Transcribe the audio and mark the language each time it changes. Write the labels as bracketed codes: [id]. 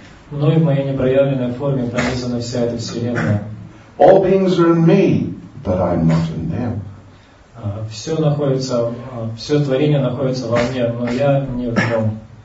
[ru] Но и в моей непроявленной форме пронизана вся эта вселенная. [en] All beings are in me, but I'm not in them. [ru] Все находится, все творение находится во мне, но я не в нем.